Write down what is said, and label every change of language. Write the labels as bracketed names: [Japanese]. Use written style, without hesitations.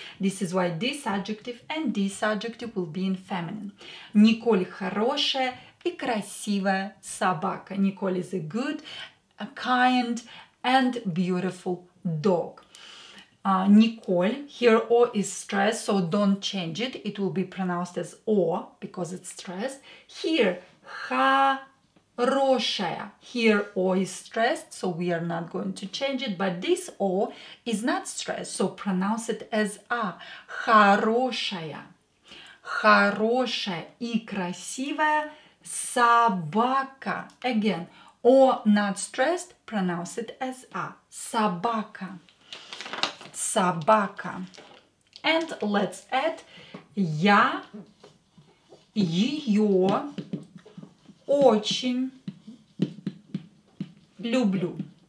[English] This is why this adjective and this adjective will be in feminine. [Russian] Николь хорошая и красивая собака. [English] Николь is a good, a kind, and beautiful dog. Николь, here О is stressed, so don't change it. It will be pronounced as О, because it's stressed. Here, хорошая. Here, О is stressed, so we are not going to change it. But this О is not stressed, so pronounce it as А. [Russian] Хорошая. Хорошая и красивая собака. [English] Again, О not stressed, pronounce it as А. [Russian] Собака. Собака. [English] And let's add, [Russian] я ее очень люблю.